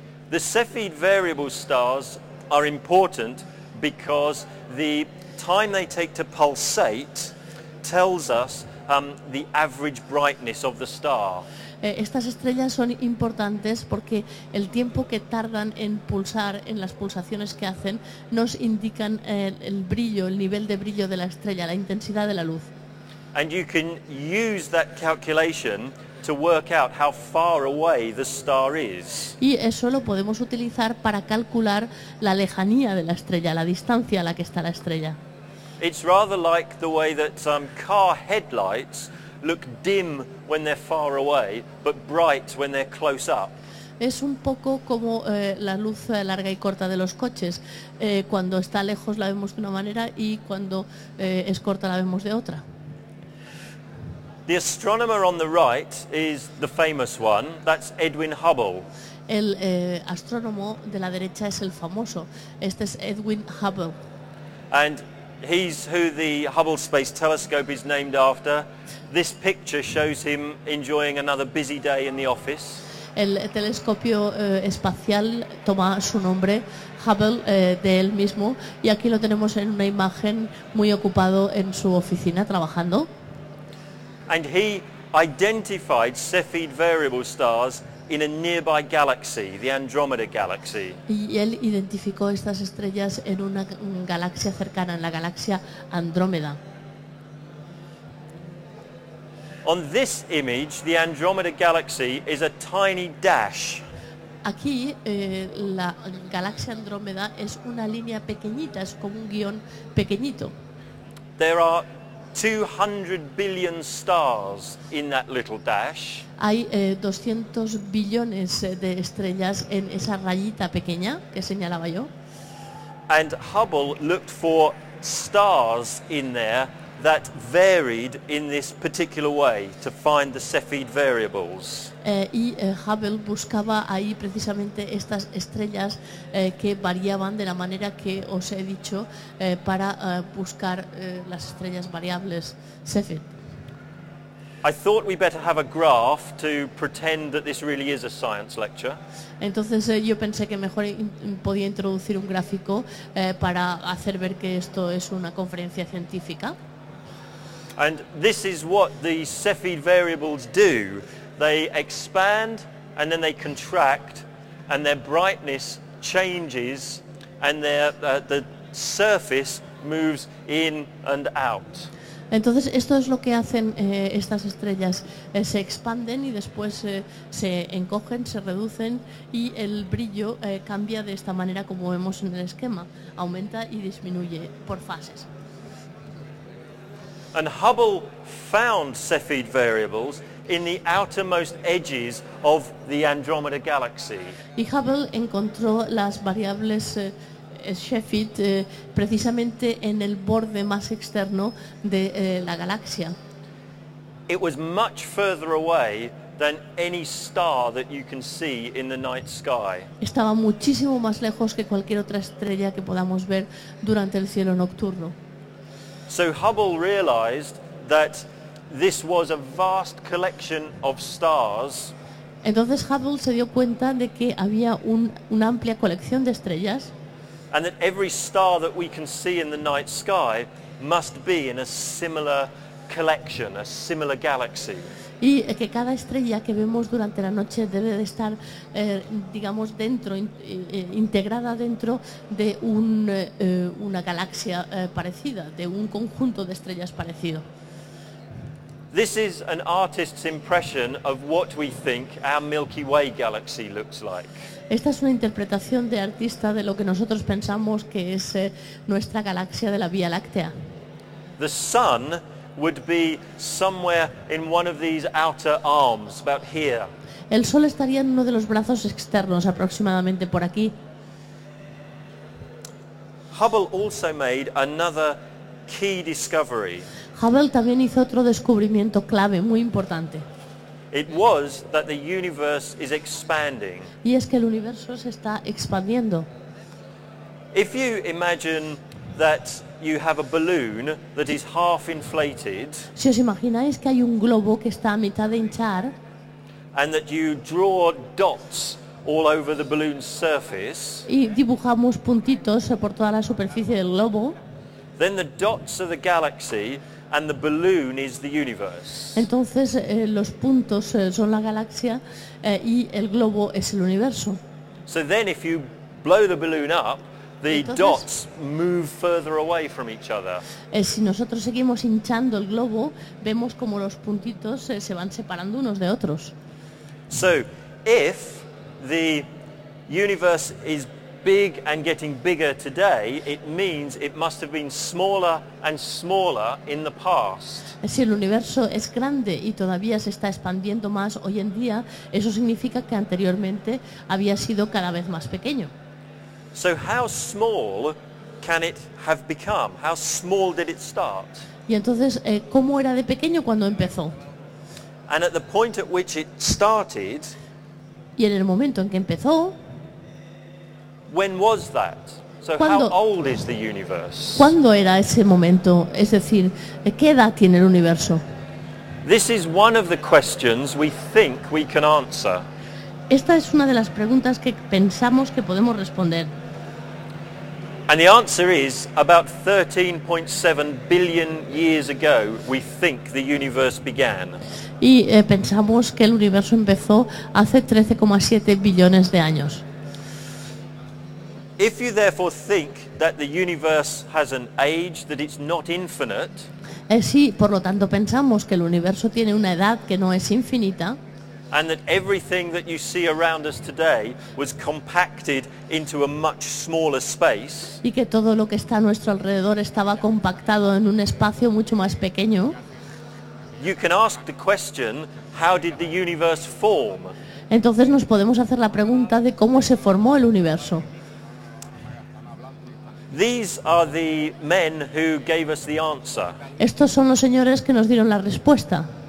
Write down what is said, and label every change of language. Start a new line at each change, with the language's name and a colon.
English: The Cepheid variable stars are important because the time they take to pulsate tells us the average brightness of the star.
Spanish: Estas estrellas son importantes porque el tiempo que tardan en pulsar, en las pulsaciones que hacen, nos indican el brillo, el nivel de brillo de la estrella, la intensidad de la luz.
English: And you can use that calculation to work out how far away the star is.
Spanish: Y eso lo podemos utilizar para calcular la lejanía de la estrella, la distancia a la que está la estrella.
English: It's rather like the way that car headlights look dim when they're far away, but bright when they're close up.
Spanish: Es un poco como la luz larga y corta de los coches. Cuando está lejos la vemos de una manera y cuando es corta la vemos de otra.
English: The astronomer on the right is the famous one. That's Edwin Hubble.
Spanish: El astrónomo de la derecha es el famoso. Este es Edwin Hubble.
English: And he's who the Hubble Space Telescope is named after. This picture shows him enjoying another busy day in the office.
Spanish: El telescopio espacial toma su nombre, Hubble, de él mismo, y aquí lo tenemos en una imagen muy ocupado en su oficina trabajando.
English: And he identified Cepheid variable stars in a nearby galaxy, the Andromeda galaxy.
Spanish: Y él identificó estas estrellas en una galaxia cercana, en la galaxia Andrómeda.
English: On this image, the Andromeda galaxy is a tiny dash.
Spanish: Aquí la galaxia Andrómeda es una línea pequeñita, es como un guión pequeñito.
English: There are 200 billion stars in that little dash.
Spanish: Hay 200 billones de estrellas en esa rayita pequeña que señalaba yo.
English: And Hubble looked for stars in there that varied in this particular way to find the Cepheid variables.
Spanish: Hubble buscaba ahí precisamente estas estrellas que variaban de la manera que os he dicho para buscar las estrellas variables Cepheid.
English: I thought we better have a graph to pretend that this really is a science lecture.
Spanish: Entonces yo pensé que mejor podía introducir un gráfico para hacer ver que esto es una conferencia científica.
English: And this is what the Cepheid variables do. They expand and then they contract and their brightness changes and their the surface moves in and out.
Spanish: Entonces esto es lo que hacen estas estrellas. Se expanden y después se encogen, se reducen y el brillo cambia de esta manera como vemos en el esquema. Aumenta y disminuye por fases.
English: And Hubble found Cepheid variables in the outermost edges of the Andromeda galaxy.
Spanish: Y Hubble encontró las variables Cepheid precisamente en el borde más externo de la galaxia.
English: It was much further away than any star that you can see in the night sky.
Spanish: Estaba muchísimo más lejos que cualquier otra estrella que podamos ver durante el cielo nocturno.
English: So Hubble realized that this was a vast collection of stars.
Spanish: Entonces Hubble se dio cuenta de que había una amplia colección de estrellas.
English: And that every star that we can see in the night sky must be in a similar collection, a similar galaxy.
Spanish: Y que cada estrella que vemos durante la noche debe de estar digamos dentro integrada dentro de una galaxia parecida, de un conjunto de estrellas parecido.
English: This is an artist's impression of what we think our Milky Way galaxy looks like.
Spanish: Esta es una interpretación de artista de lo que nosotros pensamos que es nuestra galaxia de la Vía Láctea.
English: The sun would be somewhere in one of these outer arms, about here.
Spanish: El sol estaría en uno de los brazos externos, aproximadamente por aquí.
English: Hubble also made another key discovery.
Spanish: Hubble también hizo otro descubrimiento clave muy importante.
English: It was that the universe is expanding.
Spanish: Y es que el universo se está expandiendo.
English: If you imagine that you have a balloon that is half inflated.
Spanish: Si os imagináis que hay un globo que está a mitad de hinchar.
English: And that you draw dots all over the balloon's surface.
Spanish: Y dibujamos puntitos por toda la superficie del globo.
English: Then the dots are the galaxy and the balloon is the universe.
Spanish: Entonces los puntos son la galaxia y el globo es el universo.
English: So then if you blow the balloon up, the dots move further away from each other.
Spanish: Si nosotros seguimos hinchando el globo, vemos como los puntitos se van separando unos de otros.
English: So, if the universe is big and getting bigger today, it means it must have been smaller and smaller in the past.
Spanish: Si el universo es grande y todavía se está expandiendo más hoy en día, eso significa que anteriormente había sido cada vez más pequeño.
English: So how small can it have become? How small did it start?
Spanish: Y entonces, ¿cómo era de pequeño cuando empezó?
English: And at the point at which it started,
Spanish: y en el momento en que empezó,
English: when was that? So
Spanish: cuando,
English: how old is the universe?
Spanish: ¿Cuándo era ese momento? Es decir, ¿qué edad tiene el universo?
English: This is one of the questions we think we can answer.
Spanish: Esta es una de las preguntas que pensamos que podemos responder.
English: And the answer is about 13.7 billion years ago we think the universe began.
Spanish: Y pensamos que el universo empezó hace 13,7 billones de años.
English: If you therefore think that the universe has an age, that it's not infinite.
Spanish: Si por lo tanto pensamos que el universo tiene una edad que no es infinita.
English: And that everything that you see around us today was compacted into a much smaller space.
Spanish: Y que todo lo que está a nuestro alrededor estaba compactado en un espacio mucho más pequeño.
English: You can ask the question, how did the universe form?
Spanish: Entonces nos podemos hacer la pregunta de cómo se formó el universo.
English: These are the men who gave us the answer.
Spanish: Estos son los señores que nos dieron la respuesta.